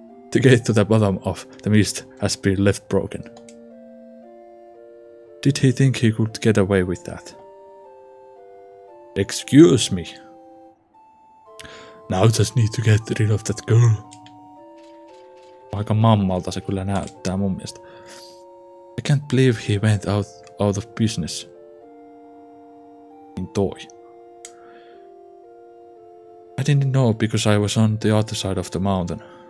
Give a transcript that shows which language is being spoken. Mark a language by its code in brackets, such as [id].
[en] The gate to the bottom of the mist has been left broken. Did he think he could get away with that? Excuse me. Now just need to get rid of that girl. [fi] Aika mammalta se kyllä näyttää mun mielestä. [en] I can't believe he went out of business. [fi] Niin toi. [en] I didn't know because I was on the other side of the mountain.